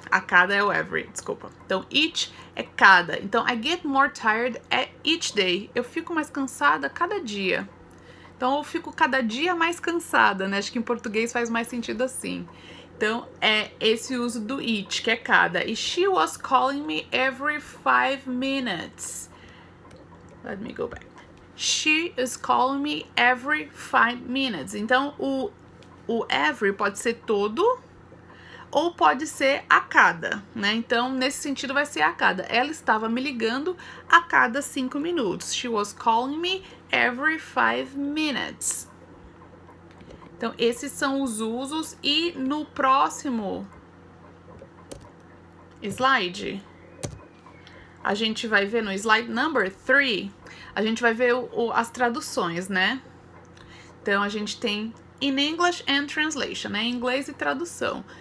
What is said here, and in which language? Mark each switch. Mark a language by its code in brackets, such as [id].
[pt] A cada é o every, desculpa. Então, each é cada. Então, [en] I get more tired [pt] é [en] each day. [pt] Eu fico mais cansada cada dia. Então, eu fico cada dia mais cansada, né? Acho que em português faz mais sentido assim. Então, é esse uso do each, que é cada. [en] E she was calling me every 5 minutes. Let me go back. She is calling me every 5 minutes. [pt] Então, o every pode ser todo ou pode ser a cada, né? Então, nesse sentido, vai ser a cada. Ela estava me ligando a cada 5 minutos. [en] She was calling me every 5 minutes. [pt] Então, esses são os usos. E no próximo slide, a gente vai ver no slide number 3, a gente vai ver as traduções, né? Então, a gente tem [en] in English and translation, [pt] né? Em inglês e tradução.